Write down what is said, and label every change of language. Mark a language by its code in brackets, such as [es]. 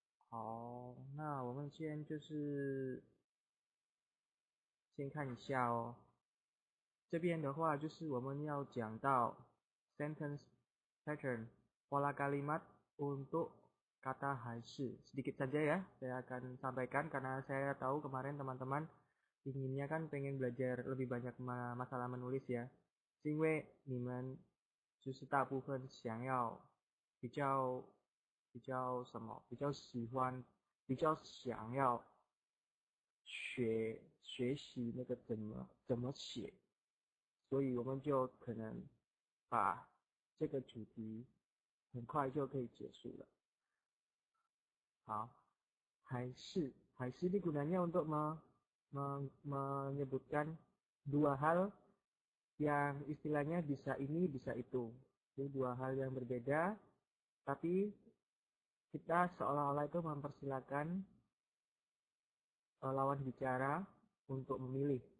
[zh] 好，那我们先就是先看一下哦。 [id] 这边的话就是我们要讲到 [en] sentence pattern [id] pola kalimat untuk kata hasil sedikit saja ya. Saya akan sampaikan karena saya tahu kemarin teman-teman inginnya kan pengen belajar lebih banyak masalah menulis ya. [zh] 是因为你们就是大部分想要比较什么比较喜欢比较想要学习那个怎么写，所以我们就可能把这个主题很快就可以结束了。好，还是你 [id] gunanya untuk menyebutkan dua hal yang istilahnya bisa ini bisa itu. Itu dua hal yang berbeda, tapi kita seolah-olah itu mempersilakan lawan bicara untuk memilih.